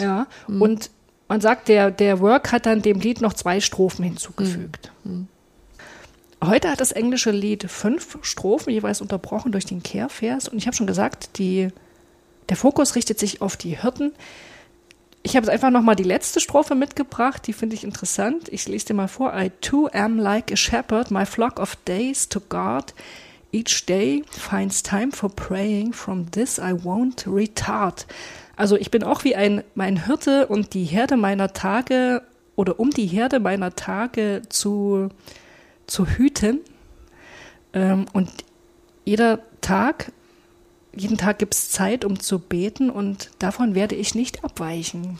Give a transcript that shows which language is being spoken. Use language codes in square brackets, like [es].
[de] Ja, und man sagt, der Work hat dann dem Lied noch 2 Strophen hinzugefügt. Heute hat das englische Lied 5 Strophen, jeweils unterbrochen durch den Kehrvers. Und ich habe schon gesagt, der Fokus richtet sich auf die Hirten. Ich habe jetzt einfach nochmal die letzte Strophe mitgebracht, die finde ich interessant. Ich lese dir mal vor. [en] I too am like a shepherd, my flock of days to guard. Each day finds time for praying, from this I won't retard. [de] Also ich bin auch wie mein Hirte und die Herde meiner Tage, oder um die Herde meiner Tage zu hüten. Und jeden Tag gibt es Zeit, um zu beten, und davon werde ich nicht abweichen.